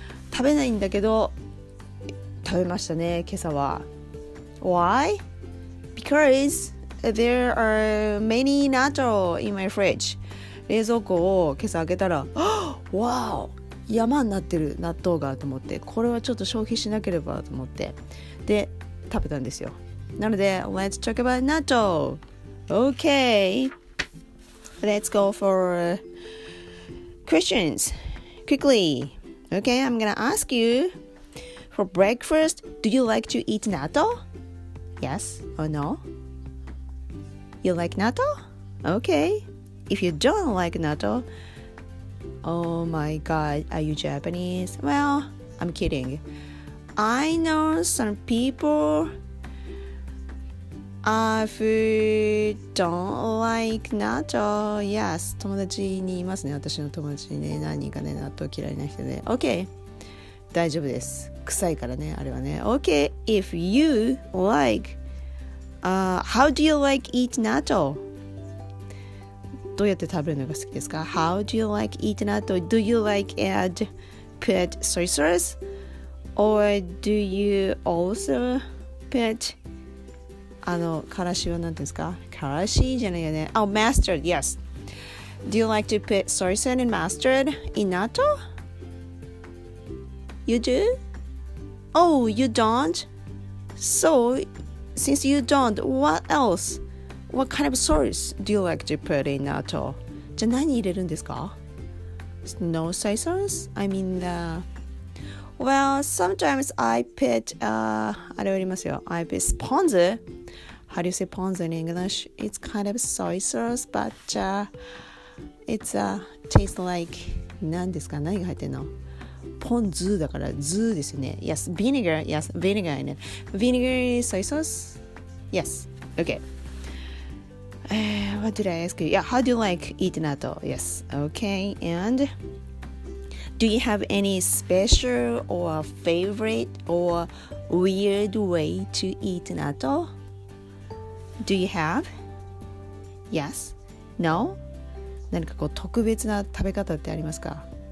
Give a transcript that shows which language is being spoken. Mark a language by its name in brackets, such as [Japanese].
[Japanese] 食べないんだけど、食べましたね、今朝は。 [English] Why? Because there are many natto in my fridge. [Japanese] 冷蔵庫を今朝開けたら、わお、山になってる納豆がと思って、これはちょっと消費しなければと思って、で、食べたんですよ。なので、 [English] Let's talk about natto! Okay! Let's go for questions. Quickly! Okay, I'm gonna ask you, for breakfast, do you like to eat natto? Yes or no? You like natto? Okay. If you don't like natto, oh my god, are you Japanese? Well, I'm kidding. I know some people who don't like natto. [Japanese] Yes, 友達にいますね。私の友達にね、何人かね、納豆嫌いな人ね。 Okay. 大丈夫です。臭いからね、あれはね。 [English] Okay, if you like, how do you like eat natto? [Japanese] どうやって食べるのが好きですか? [English] How do you like eat natto? Do you like add, put soy sauce? Or do you also put, [Japanese] からしはなんですか? からしじゃないよね。 [English] Oh, mustard, yes. Do you like to put soy sauce and mustard in natto? You do? Oh, you don't? So, since you don't, what else? What kind of sauce do you like to put in natto? [Japanese] じゃあ何入れるんですか? [English] No soy sauce? I mean, well, sometimes I put, [Japanese] あれを入れますよ。 [English] I put sponge. How do you say sponge in English? It's kind of soy sauce, but it's tastes like, [Japanese] 何ですか?何が入ってんの? ポン酢だから酢ですよね。 [English] Yes, vinegar. Yes, vinegar in it. Vinegar soy sauce? Yes. Okay. What did I ask you? Yeah, how do you like eat natto? Yes. Okay. And do you have any special or favorite or weird way to eat natto? Do you have? Yes. No? [Japanese] 何かこう特別な食べ方ってありますか?